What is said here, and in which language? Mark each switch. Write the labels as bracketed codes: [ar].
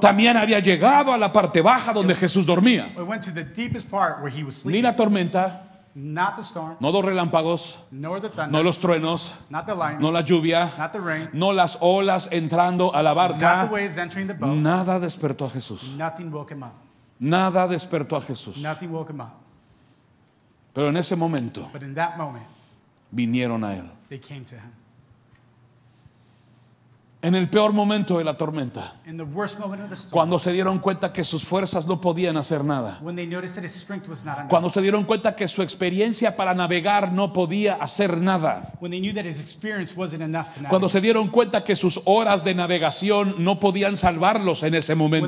[es] también había llegado a la parte baja donde Jesús dormía. [en] It went to the deepest part where he was sleeping. [es] Ni la tormenta, [en] Not the storm, [es] no los relámpagos, [en] nor the thunder, [es] no los truenos, [en] not the lightning, [es] no la lluvia, [en] not the rain, [es] no las olas entrando a la barca, [en] not the waves entering the boat, [es] nada despertó a Jesús. [en] Nothing woke him up. [es] Nada despertó a Jesús. [en] Nothing woke him up. [es] Pero en ese momento, [en] but in that moment, [es] vinieron a él. [en] They came to him. [es] En el peor momento de la tormenta, [en] in the worst moment of the storm, [es] cuando se dieron cuenta que sus fuerzas no podían hacer nada, [en] when they noticed that his strength was not enough, [es] cuando se dieron cuenta que su experiencia para navegar no podía hacer nada, [en] when they knew that his experience wasn't enough to navigate, [es] cuando se dieron cuenta que sus horas de navegación no podían salvarlos en ese momento,